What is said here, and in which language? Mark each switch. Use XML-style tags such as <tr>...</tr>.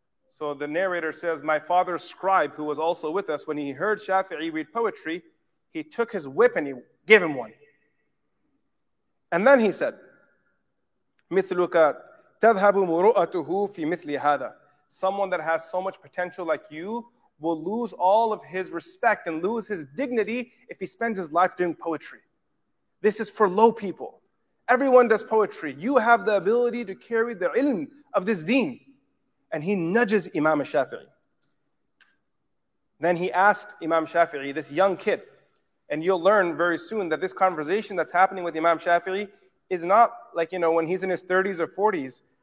<en>So the narrator says, my father's scribe, who was also with us, when he heard Shafi'i read poetry, he took his whip and he gave him one.</en> <ar>And then he said, مثلك تذهب مروءته في مثل هذا.</ar> <en>Someone that has so much potential like you will lose all of his respect and lose his dignity if he spends his life doing poetry. This is for low people. Everyone does poetry. You have the ability to carry the ilm of this deen. And he nudges Imam Shafi'i. Then he asked Imam Shafi'i, this young kid, and you'll learn very soon that this conversation that's happening with Imam Shafi'i is not like, you know, when he's in his 30s or 40s.</en>